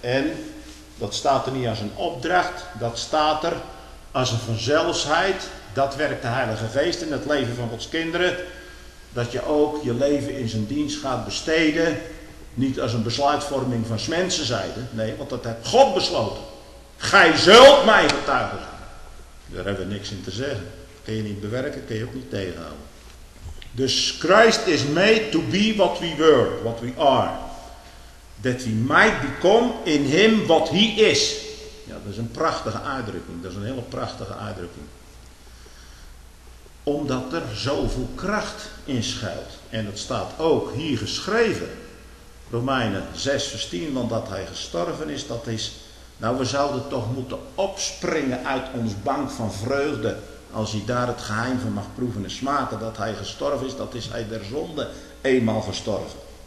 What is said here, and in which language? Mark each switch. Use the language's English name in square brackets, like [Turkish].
[Dutch] En, dat staat er niet als een opdracht, dat staat er als een vanzelfsheid, dat werkt de Heilige Geest in het leven van Gods kinderen, dat je ook je leven in zijn dienst gaat besteden. Niet als een besluitvorming van mensen zeiden. Nee, want dat heeft God besloten. Gij zult mij getuigen. Daar hebben we niks in te zeggen. Kun je niet bewerken, kun je ook niet tegenhouden. Dus [English] Christ is made to be what we were, what we are. That we might become in him what he is. [Dutch] Ja, dat is een prachtige uitdrukking. Dat is een hele prachtige uitdrukking. Omdat er zoveel kracht in schuilt. En dat staat ook hier geschreven. Romeinen 6 vers 10, want dat hij gestorven is, dat is... Nou, we zouden toch moeten opspringen uit ons bank van vreugde, als hij daar het geheim van mag proeven en smaken, dat hij gestorven is, dat is hij der zonde eenmaal gestorven.